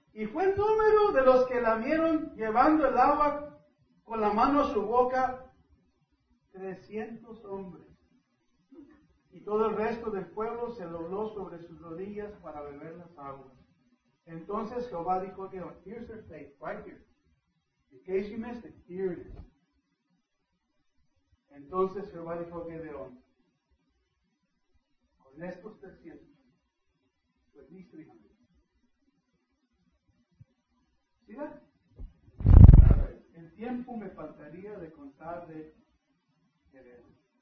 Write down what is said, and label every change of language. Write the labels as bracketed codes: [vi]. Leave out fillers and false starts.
[es] Y fue el número de los que lamieron llevando el agua con la mano a su boca, 300 hombres. Y todo el resto del pueblo se dobló sobre sus rodillas para beber las aguas. Entonces Jehová dijo a Gedeón, [en] here's their faith, right here. In case you missed it, here it is. [es] Entonces Jehová dijo a Gedeón, con estos 300, pues mis 300. ¿Sí ves? El tiempo me faltaría de contar de Gedeón.